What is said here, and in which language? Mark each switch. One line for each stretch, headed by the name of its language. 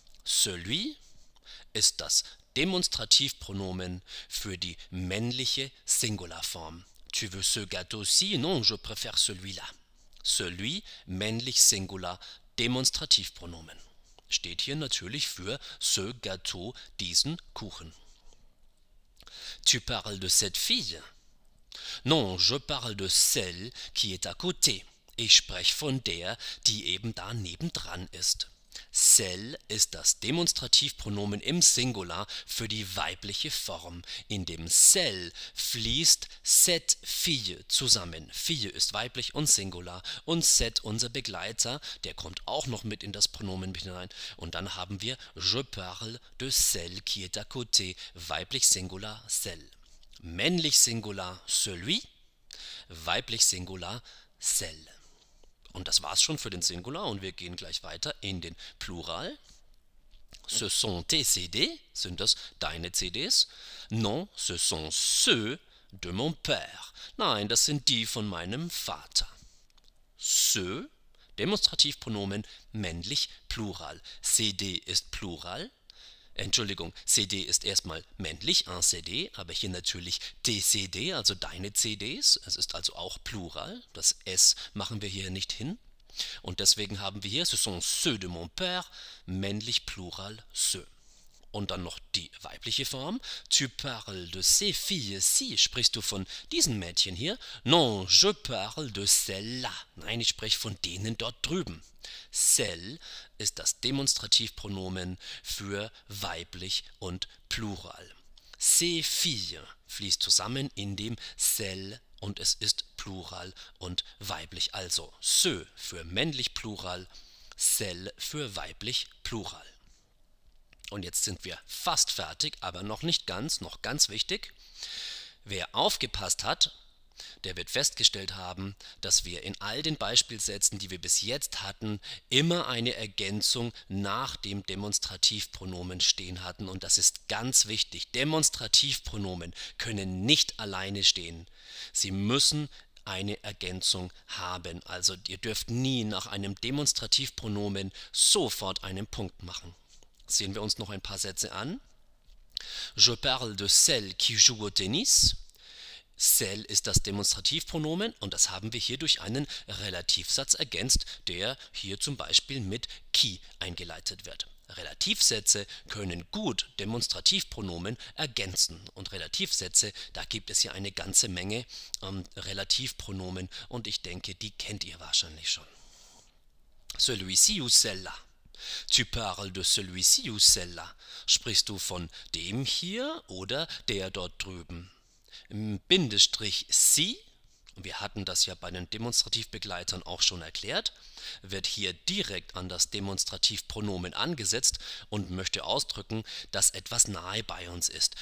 German: Celui ist das Demonstrativpronomen für die männliche Singularform.
French: Tu veux ce gâteau-ci? Non, je préfère celui-là. Celui,
German: männlich Singular, Demonstrativpronomen. Steht hier natürlich für
French: ce gâteau,
German: diesen Kuchen.
French: Tu parles de cette fille? Non, je parle de celle qui est à côté.
German: Ich spreche von der, die eben da nebendran ist. Celle ist das Demonstrativpronomen im Singular für die weibliche Form. In dem celle fließt
French: cette fille
German: zusammen. Fille ist weiblich und Singular. Und cette, unser Begleiter, der kommt auch noch mit in das Pronomen hinein. Und dann haben wir
French: je parle de celle qui est à côté.
German: Weiblich Singular, celle. Männlich Singular, celui. Weiblich Singular, celle. Und das war's schon für den Singular und wir gehen gleich weiter in den Plural.
French: Ce sont tes CD,
German: sind das deine CDs?
French: Non, ce sont ceux de mon père.
German: Nein, das sind die von meinem Vater. Ceux, Demonstrativpronomen, männlich, Plural. CD ist Plural. Entschuldigung, CD ist erstmal männlich, un CD, aber hier natürlich TCD, also deine CDs. Es ist also auch Plural, das S machen wir hier nicht hin. Und deswegen haben wir hier,
French: ce sont ceux de mon père,
German: männlich Plural, ceux. Und dann noch die weibliche Form.
French: Tu parles de ces filles-ci,
German: sprichst du von diesen Mädchen hier?
French: Non, je parle de celles-là.
German: Nein, ich spreche von denen dort drüben. Celle ist das Demonstrativpronomen für weiblich und Plural.
French: Ces filles
German: fließt zusammen in dem celle und es ist Plural und weiblich. Also, ce für männlich Plural, celle für weiblich Plural. Und jetzt sind wir fast fertig, aber noch nicht ganz, noch ganz wichtig. Wer aufgepasst hat, der wird festgestellt haben, dass wir in all den Beispielsätzen, die wir bis jetzt hatten, immer eine Ergänzung nach dem Demonstrativpronomen stehen hatten. Und das ist ganz wichtig. Demonstrativpronomen können nicht alleine stehen. Sie müssen eine Ergänzung haben. Also ihr dürft nie nach einem Demonstrativpronomen sofort einen Punkt machen. Sehen wir uns noch ein paar Sätze an.
French: Je parle de celle qui joue au tennis.
German: Celle ist das Demonstrativpronomen und das haben wir hier durch einen Relativsatz ergänzt, der hier zum Beispiel mit qui eingeleitet wird. Relativsätze können gut Demonstrativpronomen ergänzen. Und Relativsätze, da gibt es hier eine ganze Menge Relativpronomen und ich denke, die kennt ihr wahrscheinlich schon.
French: Celui-ci ou celle-là. Tu parles de celui-ci ou celle-là.
German: Sprichst du von dem hier oder der dort drüben? Bindestrich si, wir hatten das ja bei den Demonstrativbegleitern auch schon erklärt, wird hier direkt an das Demonstrativpronomen angesetzt und möchte ausdrücken, dass etwas nahe bei uns ist.